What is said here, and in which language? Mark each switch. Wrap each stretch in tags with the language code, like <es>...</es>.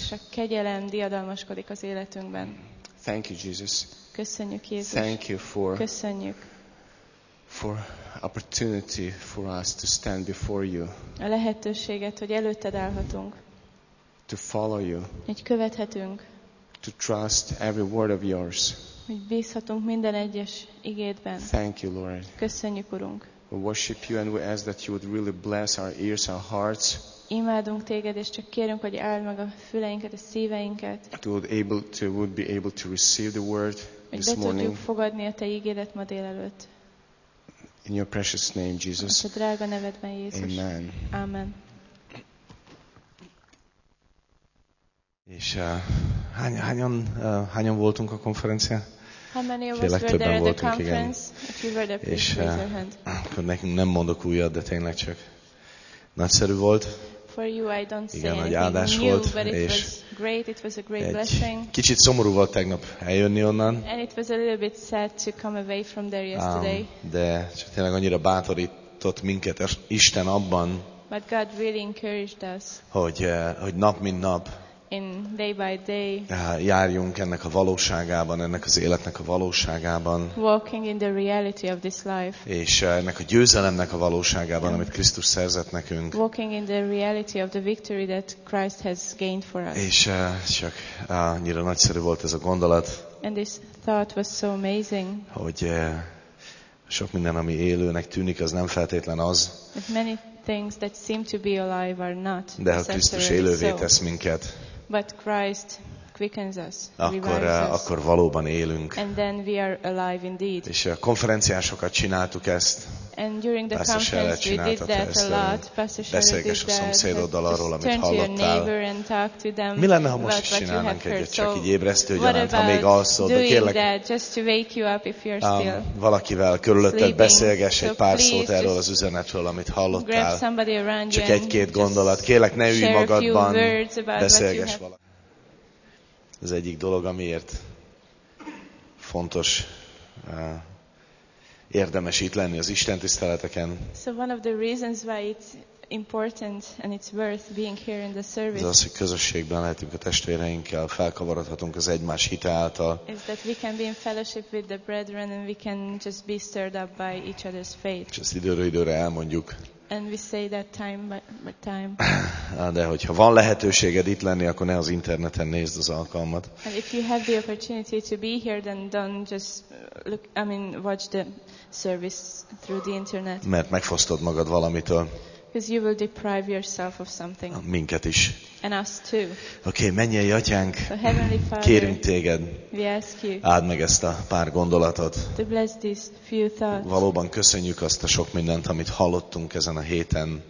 <hu>És a kegyelem diadalmaskodik az életünkben.</hu> <en>Thank you, Jesus.</en> <hu>Köszönjük, Jézus.</hu> <en>Thank you for.</en> <hu>Köszönjük.</hu> <en>For opportunity for us to stand before you.</en> <hu>A lehetőséget, hogy előtted állhatunk.</hu> <en>To follow you.</en> <hu>Hogy követhetünk.</hu> <en>To trust every word of yours.</en> <hu>Hogy bízhatunk minden egyes igédben.</hu> <en>Thank you, Lord.</en> <hu>Köszönjük, Urunk.</hu> <en>We worship you and we ask that you would really bless our ears, our hearts.</en> <hu>Imádunk téged, és csak kérünk, hogy áld meg a füleinket, a szíveinket.</hu> <en>Would be able to receive the word</en> <hu>hogy</hu> <en>this morning.</en> <hu>Hogy be tudjuk fogadni a te ígédet ma délelőtt.</hu> <en>In your precious name, Jesus.</en> <hu>A drága nevedben, Jézus.</hu> <en>Amen.</en> <hu>Amen. És hányan voltunk a konferencián?</hu> <en>How many of us were there at the conference?</en> <hu>Igen.</hu> <en>If you were there, please raise your hand.</en> <hu>Akkor nekünk nem mondok újat, de tényleg csak nagyszerű volt.</hu> <en>For you, I don't say</en> <hu>igen,</hu> <en>anything</en> <hu>áldás</hu> <en>new,</en> <hu>volt,</hu> <en>but it was great, it was a great blessing.</en> <hu>Kicsit szomorú volt tegnap eljönni onnan.</hu> <en>And it was a little bit sad to come away from there yesterday.</en> <hu>De csak tényleg annyira bátorított minket Isten abban,</hu> <en>but God really encouraged us.</en> <hu>Hogy nap mint nap,</hu> <en>in day by day.</en> <hu>Járjunk ennek a valóságában, ennek az életnek a valóságában.</hu> <en>Walking in the reality of this life.</en> <hu>És ennek a győzelemnek a valóságában, amit Krisztus szerzett nekünk.</hu> <en>Walking in the reality of the victory that Christ has gained for us.</en> <hu>És csak annyira nagyszerű volt ez a gondolat.</hu> <en>And this thought was so amazing.</en> <hu>Hogy sok minden, ami élőnek tűnik, az nem feltétlen az.</hu> <en>Things that seem to be alive are not.</en> <hu>De ha Krisztus élővé tesz minket,</hu> <en>but Christ quickens us,</en> <hu>akkor,</hu> <en>revives us.</en> <hu>Akkor valóban élünk.</hu> <en>And then we are alive indeed.</en> <hu>És a konferenciásokat csináltuk ezt.</hu> <en>And during the conference we did that a lot.</en> <hu>Beszélgess a szomszédoddal arról, amit hallottál. Mi lenne, ha most is csinálnánk egyet, csak így ébresztő gyanánt, ha még alszol, de kérlek, valakivel körülötted beszélgess egy pár szót erről az üzenetről, amit hallottál. Csak egy-két gondolat. Kérlek, ne ülj magadban, beszélgess valakivel. Az egyik dolog, amiért fontos érdemes itt lenni az Isten tiszteleteken.</hu> <en>So one of the reasons why it's important and it's worth being here in the service.</en> <hu>Ez az, hogy közösségben lehetünk a testvéreinkkel, felkavarodhatunk az egymás hite által.</hu> <en>Is that we can be in fellowship with the brethren and we can just be stirred up by each other's faith.</en> <hu>És ezt időről időre elmondjuk.</hu> <en>And we say that time by time.</en> <hu>De hogyha van lehetőséged itt lenni, akkor ne az interneten nézd az alkalmat.</hu> <en>And if you have the opportunity to be here, then don't just look, watch the service through the internet.</en> <hu>Mert megfosztod magad valamitől.</hu> <en>Because you will deprive yourself of something.</en> <hu>Minket is.</hu> <en>And us too.</en> <hu>Okay, mennyei atyánk,</hu> <en>so Heavenly Father,</en> <hu>kérünk téged,</hu> <en>we ask you,</en> <hu>áld meg ezt a pár gondolatot.</hu> <en>To bless these few thoughts.</en> <hu>Valóban köszönjük azt a sok mindent, amit hallottunk ezen a héten.</hu>